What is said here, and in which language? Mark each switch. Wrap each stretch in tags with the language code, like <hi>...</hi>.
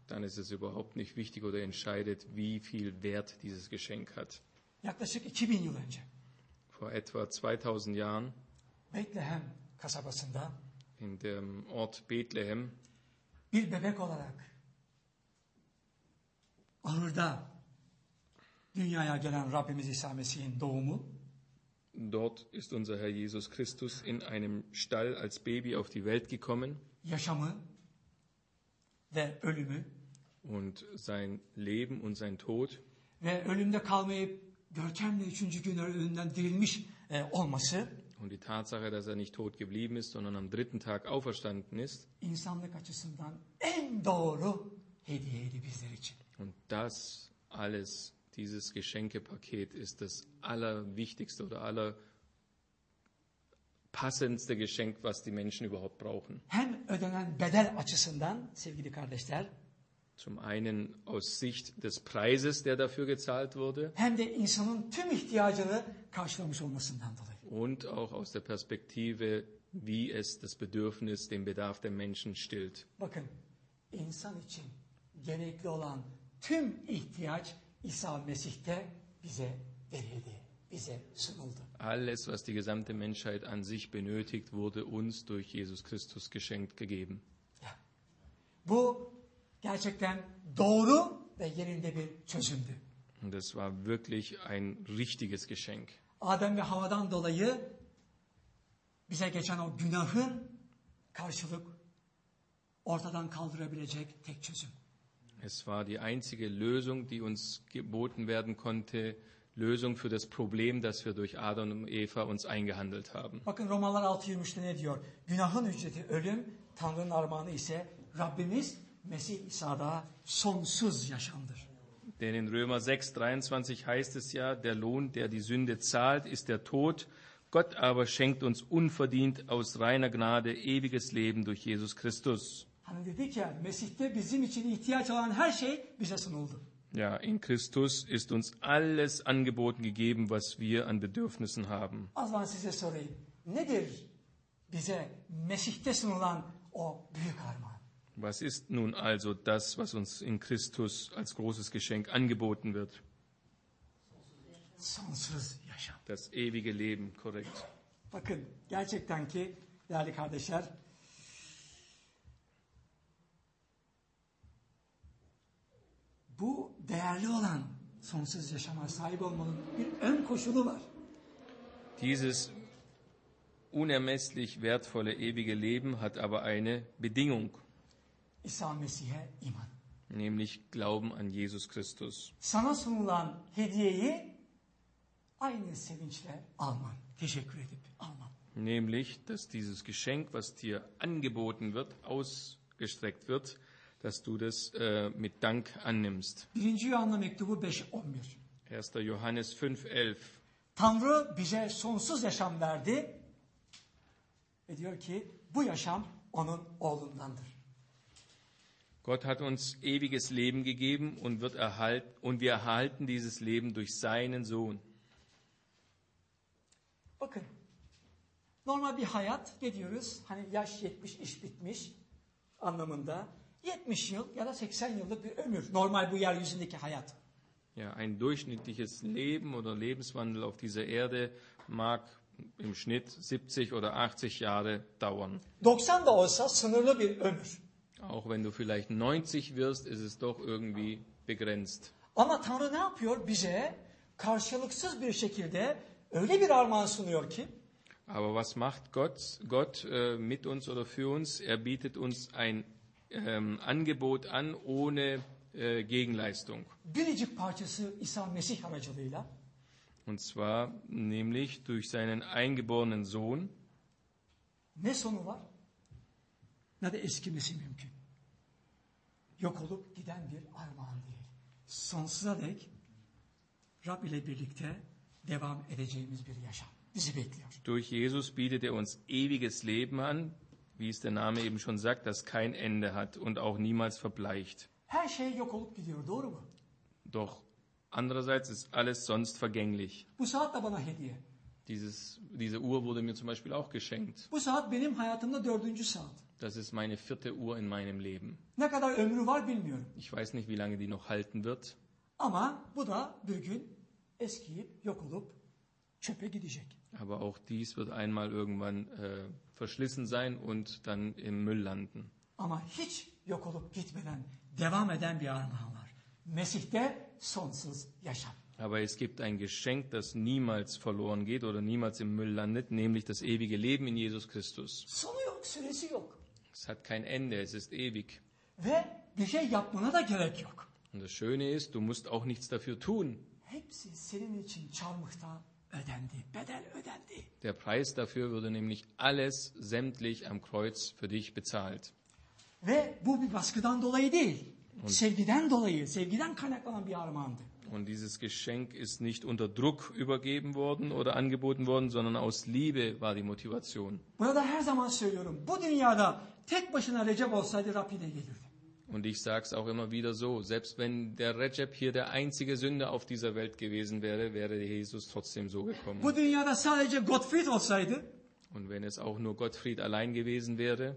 <de>Dann ist es überhaupt nicht wichtig oder entscheidet, wie viel Wert dieses Geschenk hat.</de> <tr>Yaklaşık 2000 yıl önce.</tr> <de>Vor etwa 2000 Jahren.</de> <tr>Bethlehem kasabasında.</tr> <de>In dem Ort Bethlehem.</de> <tr>Bir bebek olarak ahırda dünyaya gelen Rabbimiz İsa Mesih'in doğumu.</tr> <de>Dort ist unser Herr Jesus Christus in einem Stall als Baby auf die Welt gekommen.</de> <tr>Yaşamı ve ölümü.</tr> <de>Und sein Leben und sein Tod.</de> <tr>Ve ölümde kalmayıp görkemle üçüncü gün ölümden dirilmiş olması.</tr> <de>Und die Tatsache, dass er nicht tot geblieben ist, sondern am dritten Tag auferstanden ist.</de> <tr>İnsanlık açısından en doğru hediyeydi bizler için.</tr> <de>Und das alles Dieses Geschenkepaket ist das allerwichtigste oder allerpassendste Geschenk, was die Menschen überhaupt brauchen.</de> <tr>Hem ödenen bedel açısından, sevgili kardeşler,</tr> <de>zum einen aus Sicht des Preises, der dafür gezahlt wurde,</de> <tr>hem de insanın tüm ihtiyacını karşılamış olmasından dolayı.</tr> <de>Und auch aus der Perspektive, wie es das Bedürfnis, den Bedarf der Menschen stillt.</de> <tr>Bakın, insan için gerekli olan tüm ihtiyaç İsa Mesih'te bize verildi, bize sunuldu.</tr> <de>Alles, was die gesamte Menschheit an sich benötigt, wurde uns durch Jesus Christus geschenkt, gegeben. Ja.</de> <tr>Bu gerçekten doğru ve yerinde bir çözümdü.</tr> <de>Das war wirklich ein richtiges Geschenk.</de> <tr>Adem ve Havadan dolayı bize geçen o günahın karşılık ortadan kaldırabilecek tek çözüm.</tr> <de>Es war die einzige Lösung, die uns geboten werden konnte, Lösung für das Problem, das wir durch Adam und Eva uns eingehandelt haben.</de> <tr>Bakın Romalılar 6:23'te ne diyor? Günahın ücreti ölüm, Tanrı'nın armağanı ise Rabbimiz Mesih İsa'da sonsuz yaşamdır.</tr> <de>Denn in Römer 6:23 heißt es ja, der Lohn, der die Sünde zahlt, ist der Tod. Gott aber schenkt uns unverdient aus reiner Gnade ewiges Leben durch Jesus Christus.</de> <tr>Hani dedik ya, Mesih'te bizim için ihtiyaç olan her şey bize sunuldu.</tr> <de>Ja, in Christus ist uns alles angeboten gegeben, was wir an Bedürfnissen haben.</de> <tr>Az daha size sorayım. Nedir bize Mesih'te sunulan o büyük armağan?</tr> <de>Was ist nun also das, was uns in Christus als großes Geschenk angeboten wird?</de> <tr>Sonsuz yaşam.</tr> <de>Das ewige Leben, korrekt.</de> <tr>Bakın, gerçekten ki, değerli kardeşler, Bu değerli olan sonsuz yaşama sahip olmanın bir ön koşulu var.</tr> <de>Dieses unermesslich wertvolle ewige Leben hat aber eine Bedingung.</de> <tr>İsa Mesih'e iman.</tr> <de>Nämlich Glauben an Jesus Christus.</de> <tr>Sana sunulan hediyeyi aynı sevinçle alman, teşekkür edip alman.</tr> <de>Nämlich, dass dieses Geschenk, was dir angeboten wird, ausgestreckt wird, dass du das mit Dank annimmst. 1. Johannes 5:11. 1. Johannes 5:11.</de> <tr>Tanrı bize sonsuz yaşam verdi ve diyor ki bu yaşam onun oğlundandır.</tr> <de>Gott hat uns ewiges Leben gegeben und wird erhalten, und wir erhalten dieses Leben durch seinen Sohn.</de> <tr>Bakın, normal bir hayat ne diyoruz? Hani yaş 70 iş bitmiş anlamında. 70 yıl ya da 80 yıllık bir ömür. Normal bu yeryüzündeki hayat.</tr> <de>Ja, ein durchschnittliches Leben oder Lebenswandel auf dieser Erde mag im Schnitt 70 oder 80 Jahre dauern.</de> <tr>90 da olsa sınırlı bir ömür.</tr> <de>Auch wenn du vielleicht 90 wirst, ist es doch irgendwie begrenzt.</de> <tr>Ama Tanrı ne yapıyor? Bize karşılıksız bir şekilde öyle bir armağan sunuyor ki.</tr> <de>Aber was macht Gott? Gott mit uns oder für uns? Er bietet uns ein Angebot an ohne Gegenleistung.</de> <tr>Biricik parçası İsa Mesih aracılığıyla.</tr> <de>Und zwar nämlich durch seinen eingeborenen Sohn.</de> <tr>Ne sonu var? Ne de eskimesi mümkün. Yok olup giden bir armağan değil. Sonsuza dek Rab ile birlikte devam edeceğimiz bir yaşam bizi bekliyor.</tr> <de>Durch Jesus bietet er uns ewiges Leben an, wie es der Name eben schon sagt, das kein Ende hat und auch niemals verbleicht.</de> <tr>Her şey yok olup gidiyor, doğru mu?</tr> <de>Doch andererseits ist alles sonst vergänglich.</de> <tr>Bu saat da bana hediye.</tr> <de>Diese Uhr wurde mir zum Beispiel auch geschenkt.</de> <tr>Bu saat benim hayatımda dördüncü saat.</tr> <de>Das ist meine vierte Uhr in meinem Leben.</de> <tr>Ne kadar ömrü var bilmiyorum.</tr> <de>Ich weiß nicht, wie lange die noch halten wird.</de> <tr>Ama bu da bir gün eskiyip yok olup çöpe gidecek.</tr> <de>Aber auch dies wird einmal irgendwann verschlissen sein und dann im Müll landen.</de> <tr>Ama hiç yok olup gitmeden devam eden bir armağan var. Mesih'te sonsuz yaşam.</tr> <de>Aber es gibt ein Geschenk, das niemals verloren geht oder niemals im Müll landet, nämlich das ewige Leben in Jesus Christus.</de> <tr>Sonu yok, süresi yok.</tr> <de>Es hat kein Ende, es ist ewig.</de> <tr>Ve bir şey yapmana da gerek yok.</tr> <de>Und das Schöne ist, du musst auch nichts dafür tun.</de> <tr>Hepsi senin için çarmıhta ödendi, bedel ödendi.</tr> <de>Der Preis dafür wurde nämlich alles sämtlich am Kreuz für dich bezahlt.</de> <tr>Ve bu bir baskıdan dolayı değil, sevgiden dolayı, sevgiden kaynaklanan bir armağandı.</tr> <de>Und dieses Geschenk ist nicht unter Druck übergeben worden oder angeboten worden, sondern aus Liebe war die Motivation.</de> <tr>Burada her zaman söylüyorum. Bu dünyada tek başına Recep olsaydı Rab yine gelirdi.</tr> <de>Und ich sag's auch immer wieder so, selbst wenn der Recep hier der einzige Sünder auf dieser Welt gewesen wäre, wäre Jesus trotzdem so gekommen.</de> <tr>Bu dünyada sadece Gottfried olsaydı.</tr> <de>Und wenn es auch nur Gottfried allein gewesen wäre,</de>